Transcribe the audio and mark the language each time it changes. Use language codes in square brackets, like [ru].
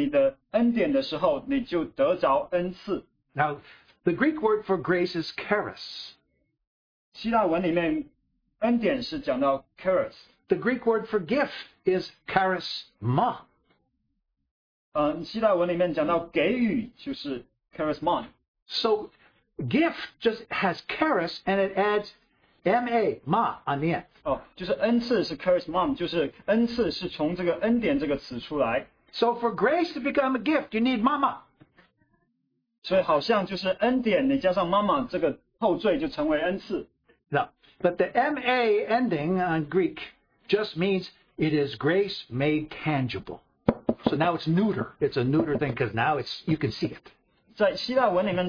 [zh] 就是你有信心和恩典，当你靠着信心在那里操练你的恩典的时候， 你就得着恩赐。 [en] Now, the Greek word for grace is charis. [zh] 希腊文里面恩典是讲到charis。 [en] The Greek word for gift is charisma. [zh] 希腊文里面讲到给予就是charismon。 [en] So, gift just has charis and it adds ma, ma on the end. [zh] 就是恩赐是charismon, 就是恩赐是从这个恩典这个词出来。 [en] So for grace to become a gift, you need mama. [zh] 所以好像就是恩典你加上妈妈这个后缀就成为恩赐。 [en] No, but the ma ending on Greek just means it is grace made tangible. So now it's neuter. It's a neuter thing because now it's you can see it.